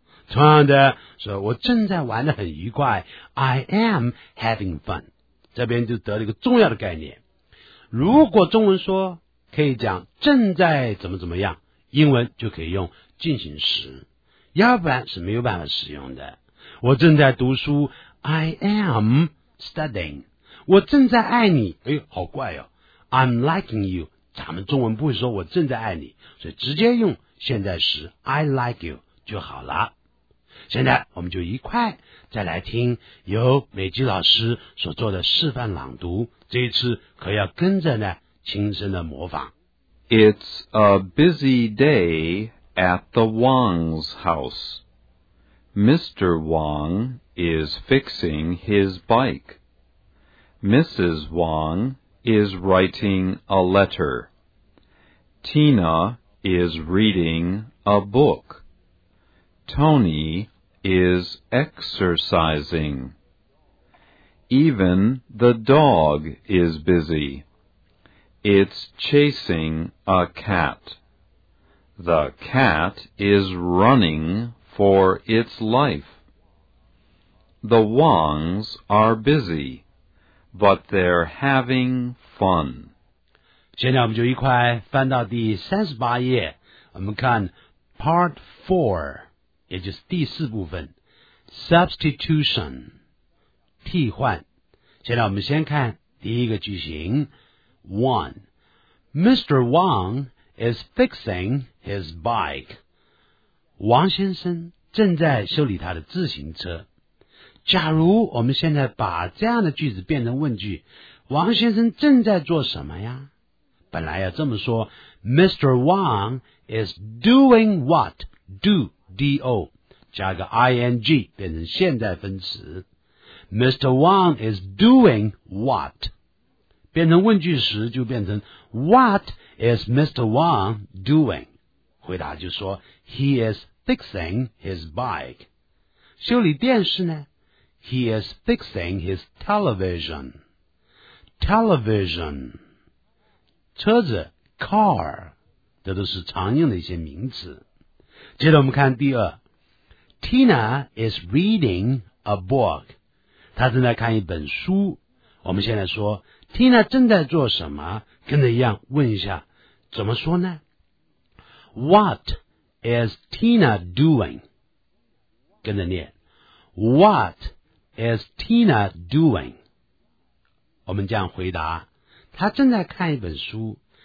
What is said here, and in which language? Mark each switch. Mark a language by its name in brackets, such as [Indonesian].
[Chinese] 同样的，所以我正在玩得很愉快， [English] I am having fun。 [Chinese] 这边就得了一个重要的概念，如果中文说可以讲正在怎么怎么样，英文就可以用进行时，要不然是没有办法使用的。我正在读书 [English] I am studying。 [Chinese] 我正在爱你，哎，好怪哦， [English] I'm liking you。 [Chinese] 咱们中文不会说我正在爱你，所以直接用现在时 [English] I like you [Chinese] 就好了。现在我们就一块再来听由美姬老师所做的示范朗读，这一次可要跟着呢轻声的模仿。 [English] It's a busy day at the Wang's house. Mr. Wang is fixing his bike. Mrs. Wang is writing a letter. Tina is reading a book. Tony is exercising. Even the dog is busy. It's chasing a cat. The cat is running for its life. The Wangs are busy, but they're having fun. [Chinese] 现在我们就一块翻到第38页，我们看 Part 4，也就是第四部分 Substitution 替换。现在我们先看第一个句型 1. [English] Mr. Wang is fixing his bike. [Chinese] 王先生正在修理他的自行车。假如我们现在把这样的句子变成问句，王先生正在做什么呀？本来要这么说 [English] Mr. Wang is doing what? [Chinese] Do D-O加个 ing 变成现在分词 Mr. [English] Wang is doing what， [Chinese] 变成问句时就变成 [English] What is Mr. Wang doing， [Chinese] 回答就说 [English] He is fixing his bike。 [Chinese] 修理电视呢， [English] He is fixing his television。 [Chinese] Television 车子 car， 这都是常用的一些名词。接着我们看第二， [English] Tina is reading a book， [Chinese] 她正在看一本书。我们现在说 Tina 正在做什么，跟着一样问一下怎么说呢？ [English] What is Tina doing？ [Chinese] 跟着念 [English] What is Tina doing？ [Chinese] 我们这样回答，她正在看一本书。